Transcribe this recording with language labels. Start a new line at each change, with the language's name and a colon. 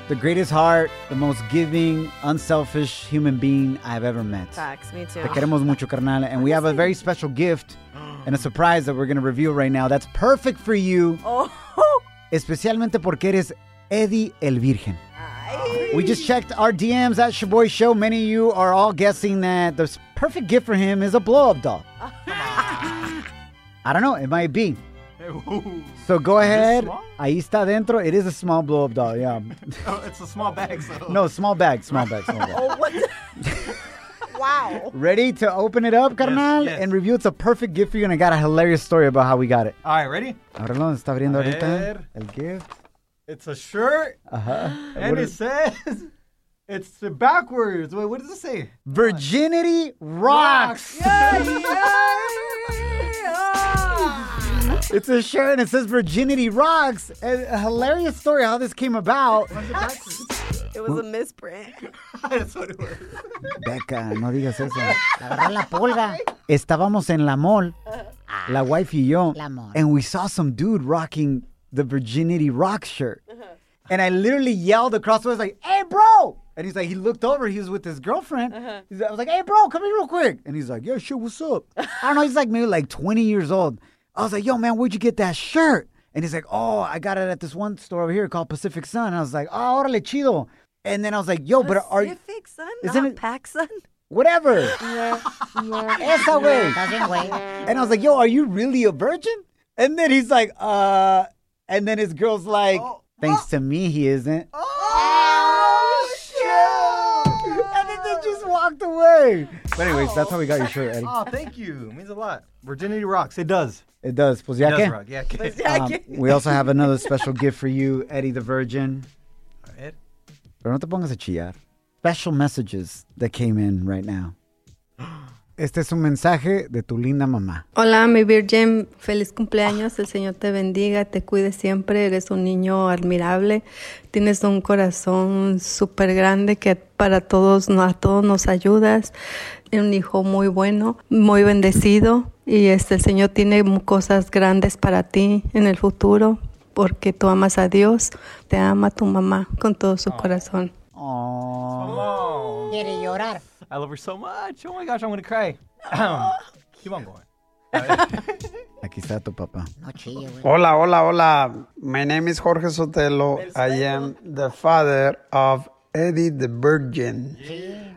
English: The greatest heart, the most giving, unselfish human being I've ever met. Facts, me too.
Spanish: Te queremos mucho, carnal.
English: And we have a very special gift and a surprise that we're going to reveal right now that's perfect for you. Oh.
Spanish: Especialmente porque eres Eddie el Virgen.
English: We just checked our DMs at Shaboy Show. Many of you are all guessing that the perfect gift for him is a blow-up doll. I don't know. It might be. So go ahead.
Spanish: Ahí está dentro.
English: It is a small blow-up doll, yeah. Oh, it's a small bag, so. No, small bag. Oh, what? Wow. Ready to open it up, carnal? Yes, yes. And review, it's a perfect gift for you, and I got a hilarious story about how we got it. All right, ready?
Spanish: Ábrelo, está abriendo ahorita el gift.
English: It's a shirt. Uh-huh. And it says, it's backwards. Wait, what does it say? Virginity rocks. Yes! Yes! Yes! It's a shirt and it says Virginity Rocks. And a hilarious story how this came about. It was a misprint. That's what it was.
Spanish: Becca, no digas eso. Agarra la pulga. Estábamos en la mall, la wife y yo. La mall.
English: And we saw some dude rocking the Virginity Rocks shirt. And I literally yelled across the way, I was like, hey, bro. And he's like, he looked over, he was with his girlfriend. I was like, hey, bro, come here real quick. And he's like, yeah, shit, what's up? I don't know, he's like maybe like 20 years old. I was like, yo, man, where'd you get that shirt? And he's like, oh, I got it at this one store over here called Pacific Sun. And I was like, oh,
Spanish: órale, chido.
English: And then I was like, yo, Pacific but are you... Pacific Sun? Isn't not it, Pac Sun? Whatever. Yeah.
Spanish: Esa way.
English: Doesn't wait. And I was like, yo, are you really a virgin? And then he's like, And then his girl's like, oh, thanks to me, he isn't. Oh, shit. And then they just walked away. But anyways, that's how we got your shirt, Eddie. Oh, thank you. It means a lot. Virginity rocks. It does. It does.
Spanish: Pues ya que.
English: It does rock. Yeah, okay. We also have another special gift for you, Eddie the Virgin. Ed?
Spanish: Pero no te pongas a chillar.
English: Special messages that came in right now.
Spanish: Este es un mensaje de tu linda mamá. Hola, mi virgen. Feliz cumpleaños. El Señor te bendiga. Te cuide siempre. Eres un niño admirable. Tienes un corazón súper grande que para todos, a todos nos ayudas. Eres un hijo muy bueno, muy bendecido. Y el Señor tiene cosas grandes para ti en el futuro porque tú amas a Dios. Te ama tu mamá con todo su corazón. Quiere llorar.
English: I love her so much. Oh, my gosh, I'm going to cry. Keep on going.
Spanish: Aquí está tu papá. Hola, hola, hola.
English: My name is Jorge Sotelo. I am the father of Eddie the Virgin. Yeah.